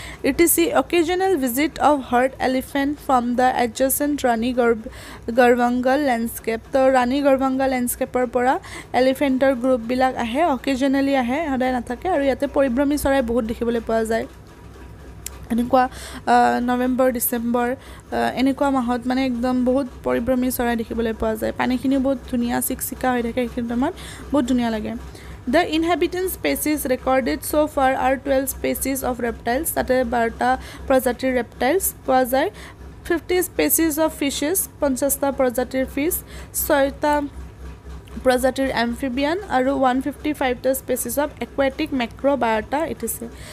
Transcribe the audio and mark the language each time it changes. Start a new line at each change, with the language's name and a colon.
English: It is a occasional visit of herd elephant from the adjacent Rani Garbhanga landscape.
Assamese: তো ৰাণী গৰ্ভংগল লেণ্ডস্কেপৰ পৰা এলিফেণ্টৰ গ্ৰুপবিলাক আহে, occasionally আহে, সদায় নাথাকে। আৰু ইয়াতে পৰিভ্ৰমী চৰাই বহুত দেখিবলৈ পোৱা যায়, এনেকুৱা নৱেম্বৰ ডিচেম্বৰ এনেকুৱা মাহত মানে একদম বহুত পৰিভ্ৰমী চৰাই দেখিবলৈ পোৱা যায়। পানীখিনিও বহুত ধুনীয়া চিকচিকা হৈ থাকে, সেইখিনি টাইমত বহুত ধুনীয়া লাগে।
English: the inhabitant species recorded so' far are 12 species of reptiles,
Assamese: তাতে 12 প্ৰজাতিৰ ৰেপটাইলছ পোৱা যায়।
English: 50 species of fishes,
Assamese: 50 প্ৰজাতিৰ ফিছ, 6 প্ৰজাতিৰ এম্ফিবিয়ান আৰু
English: 155 species of aquatic macrobiota etc.